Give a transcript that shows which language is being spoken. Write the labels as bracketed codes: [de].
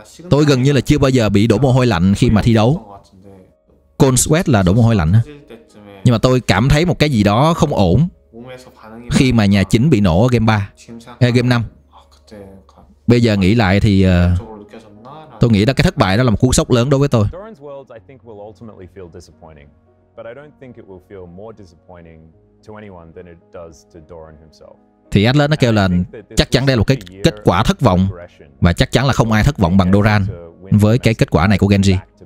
[vi] Tôi gần như là chưa bao giờ bị đổ mồ hôi lạnh khi mà thi đấu. [en] Cold sweat [vi] là đổ mồ hôi lạnh. Nhưng mà tôi cảm thấy một cái gì đó không ổn khi mà nhà chính bị nổ ở game 3, game 5. Bây giờ nghĩ lại thì tôi nghĩ là cái thất bại đó là một cú sốc lớn đối với tôi. [en] Doran's world I think will ultimately feel disappointing, but I don't think it will feel more disappointing to anyone than it does to Doran himself. [vi] Thì Atlas nó kêu là chắc chắn đây là một cái kết quả thất vọng, và chắc chắn là không ai thất vọng bằng Doran với cái kết quả này của Genji.